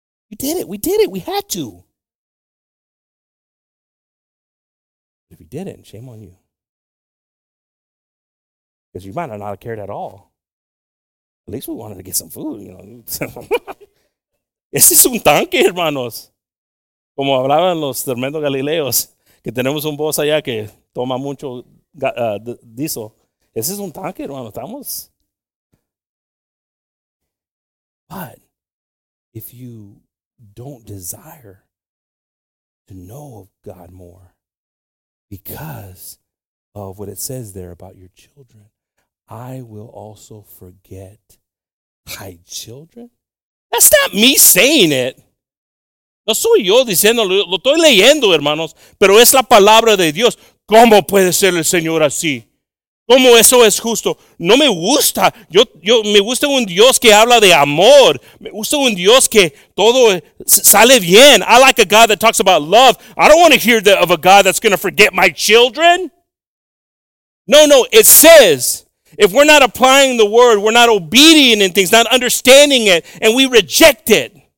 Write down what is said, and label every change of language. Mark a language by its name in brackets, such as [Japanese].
[English] You did it. We did it. We had to. But if you didn't, shame on you. Because you might not have cared at all. At least we wanted to get some food, you know. [Spanish] Ese es un tanque, hermanos. Como hablaban los tremendos galileos, que tenemos un boss allá que toma mucho diesel. Ese es un tanque, hermanos. Estamos. [English] But if you don't desire to know of God more because of what it says there about your children, I will also forget my children? That's not me saying it. [Spanish] No soy yo diciendo, lo estoy leyendo, hermanos, pero es la palabra de Dios. ¿Cómo puede ser el Señor así? ¿Cómo eso es justo? No me gusta. Yo me gusta un Dios que habla de amor. Me gusta un Dios que todo sale bien. [English] I like a God that talks about love. I don't want to hear of a God that's going to forget my children. No, it says, if we're not applying the word, we're not obedient in things, not understanding it, and we reject it.